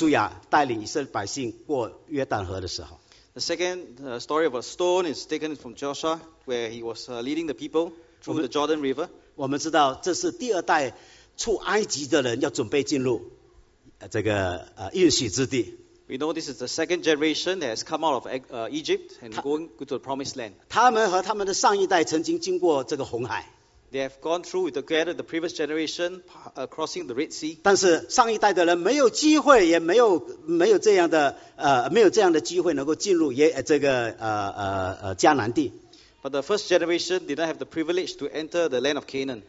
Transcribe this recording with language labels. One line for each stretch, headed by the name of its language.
Chinese: 我们第二个石头的，我们看到就是耶稣亚带领以色列百姓过约旦河的时候。
English: The second story of a stone is taken from Joshua, where he was leading the people from the Jordan River.
Chinese: 我们知道这是第二代出埃及的人要准备进入这个应许之地。
English: We know this is the second generation that has come out of Egypt and going to the Promised Land.
Chinese: 他们和他们的上一代曾经经过这个红海。
English: They have gone through with the previous generation crossing the Red Sea.
Chinese: 但是上一代的人没有机会，也没有这样的机会能够进入这个迦南地。
English: But the first generation did not have the privilege to enter the land of Canaan.